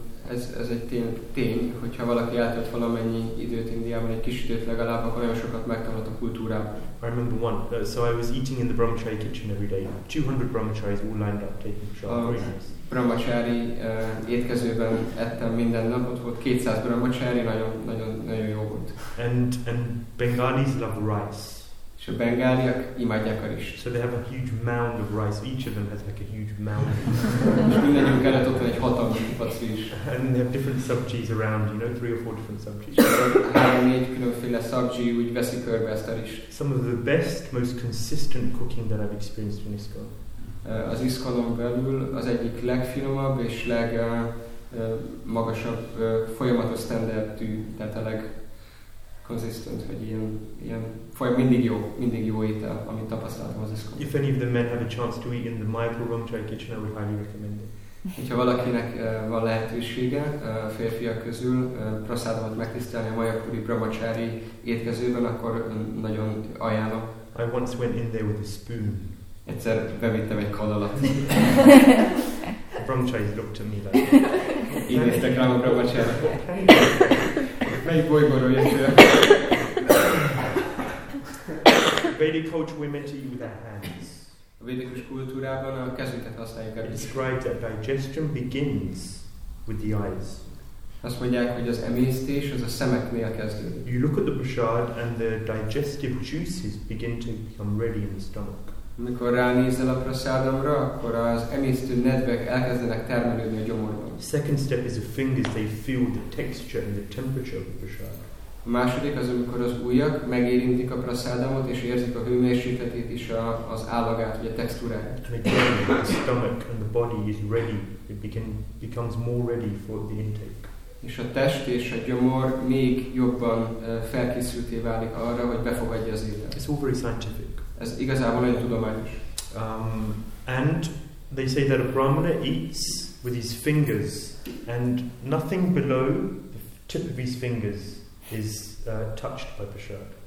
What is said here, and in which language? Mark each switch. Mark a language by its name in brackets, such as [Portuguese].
[Hungarian] Ez egy tény, hogyha valaki eltölt valamennyi időt Indiában, egy kis időt legalább, akkor nagyon sokat megtanult a kultúrában. [English] I remember one. So I was eating in the Brahmachari kitchen every day. 200 Brahmacharis all lined up taking shots. [Hungarian] Brahmachari étkezőben ettem minden nap, ott volt 200 Brahmachari, nagyon jó volt. [English] And Bengalis love rice. [Hungarian] És a bengáliak imádják a rizst. [English] So they have a huge mound of rice. Each of them has like a huge mound. [Hungarian] És mindegyünk kellett ott egy hatalmas kupac rizs. [English] And they have different sub-G's around, you know, 3 or 4 different sub-G's. [Hungarian] 3-4 különféle sub-G úgy veszi körbe ezt a rizst. [English] Some of the best, most consistent cooking that I've experienced in ISKCON. [Hungarian] Az ISKCON-on belül az egyik legfinomabb és legmagasabb folyamatos standardű, tehát a leg consistent, hogy ilyen folyam, mindig jó étel, amit tapasztaltam az ISKCON. [English] If any of the men have a chance to eat in the Mayapur Ramchai kitchen, I would highly recommend it. [Hungarian] Hogyha valakinek van lehetősége férfiak közül prasádamat megtisztelni a Mayapuri Brahmachari étkezőben, akkor nagyon ajánlom. [English] I once went in there with a spoon. [Hungarian] Egyszer bevittem egy kanalat. [English] Brahmacharis looked at me like... [Hungarian] Én néztek rám a Brahmachari. Melyik bolygóról jöttél? [English] Vedic culture, we're meant to eat with our hands. [Hungarian] A védikus kultúrában a kezünket használjuk [English] el. Describe that digestion begins with the eyes. [Hungarian] Azt mondják, hogy az emésztés az a szemeknél kezdődik. [English] You look at the prasad and the digestive juices begin to become ready in the stomach. [Hungarian] Amikor ránézel a prasadamra, akkor az emésztő nedvek elkezdenek termelődni a gyomorban. [English] Second step is the fingers, they feel the texture and the temperature of the prasad. [Hungarian] A második az, amikor az ujjak megérintik a prasadamot és érzik a hőmérsékletét is az állagát, vagy a textúrát. [English] And again, the stomach and the body is ready, it becomes more ready for the intake. [Hungarian] És a test és a gyomor még jobban felkészülté válik arra, hogy befogadja az ételt. [English] It's all very scientific. [Hungarian] Ez igazából egy tudományos. [English] And they say that a brahmana eats with his fingers, and nothing below the tip of his fingers is touched by prasad.